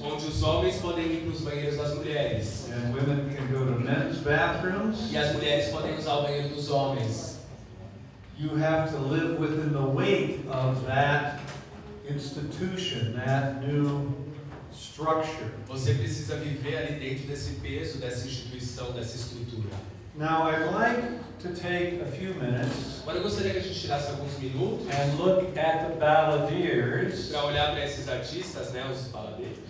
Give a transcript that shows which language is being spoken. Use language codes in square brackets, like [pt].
[pt] Onde os homens podem ir para os banheiros das mulheres. [en] And women can go to men's bathrooms. [pt] E as mulheres podem usar o banheiro dos homens. [en] You have to live within the weight of that institution, that new structure. [pt] Você precisa viver ali dentro desse peso, dessa instituição, dessa estrutura. [en] Now I'd like to take a few minutes. [pt] Agora eu gostaria que a gente tirasse alguns minutos. [en] And look at the baladeiros. [pt] Para olhar para esses artistas, né, os baladeiros.